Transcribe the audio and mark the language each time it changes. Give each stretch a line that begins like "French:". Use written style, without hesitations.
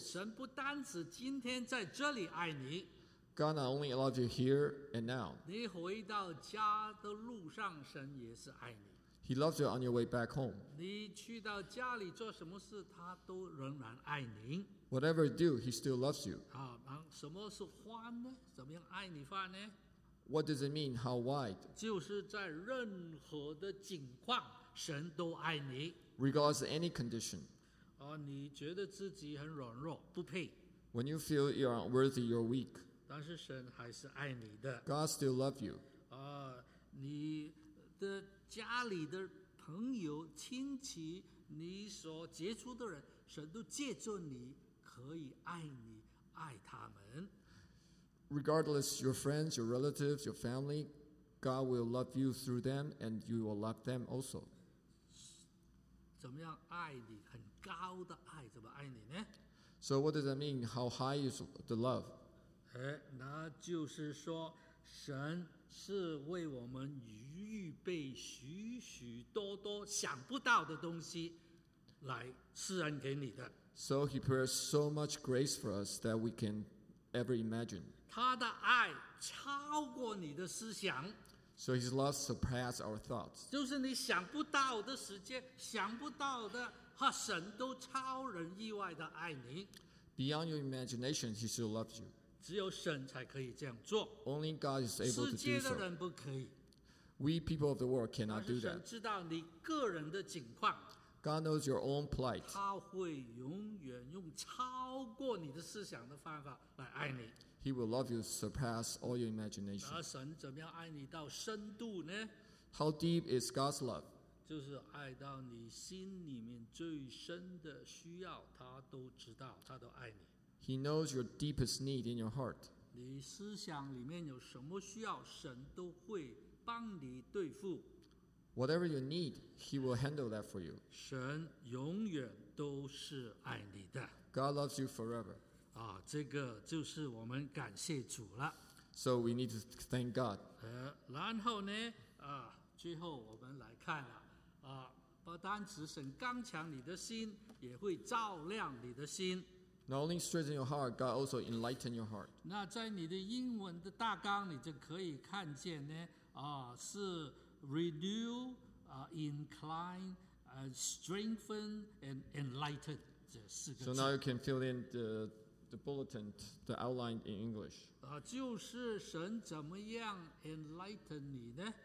Chinese: 神不单只今天在这里爱你。
English: God not only loves you here and now.
Chinese: 你回到家的路上，神也是爱你。
English: He loves you on your way back home.
Chinese: 你去到家里做什么事，他都仍然爱你。
English: Whatever you do, he still loves you.
Chinese: 什么是欢呢？怎么样爱你法呢？
English: What does it mean? How wide?
Chinese: 就是在任何的境况，神都爱你。
English: Regardless of any condition.
Chinese: 你觉得自己很软弱，不配。
English: When you feel you are unworthy, you're weak.
Chinese: 但是神还是爱你的。
English: God still loves you.
Chinese: 你的家里的朋友、亲戚，你所接触的人，神都借着你可以爱你，爱他们。
English: Regardless your friends, your relatives, your family, God will love you through them, and you will love them also.
Chinese: 怎么样爱你？很高的爱，怎么爱你呢
English: ？So what does that mean? How high is the love?
Chinese: 那就是说，神是为我们预备许许多多想不到的东西来施恩给你的。
English: So he prepares so much grace for us that we can ever imagine.
Chinese: 他的爱超过你的思想。
English: So his love surpasses our thoughts.
Chinese: 就是你想不到的时间，想不到的，和神都超人意外的爱你。
English: Beyond your imagination, he still loves you.
Chinese: 只有神才可以这样做。
English: Only God is able to do so.
Chinese: 世界的人不可以。
English: We people of the world cannot do that.
Chinese: 神知道你个人的境况。
English: God knows your own plight.
Chinese: 他会永远用超过你的思想的方法来爱你。
English: He will love you surpass all your imagination.
Chinese: 而神怎么样爱你到深度呢？
English: How deep is God's love?
Chinese: 就是爱到你心里面最深的需要，他都知道，他都爱你。
English: He knows your deepest need in your heart.
Chinese: 你思想里面有什么需要，神都会帮你对付。
English: Whatever you need, He will handle that for you.
Chinese: 神永远都是爱你的。
English: God loves you forever.
Chinese: 啊，这个就是我们感谢主了。
English: So we need to thank God.
Chinese: 然后呢，啊，最后我们来看了，啊，不单只神刚强你的心，也会照亮你的心。
English: Not only strengthen your heart, God also enlighten your heart.
Chinese: 那在你的英文的大纲，你就可以看见呢，啊，是。
English: Renew, incline, strengthen, and enlighten.
Chinese: 这四个字。
English: So now you can fill in the bulletin, the outline in English.
Chinese: 就是神怎么样 enlighten 你呢？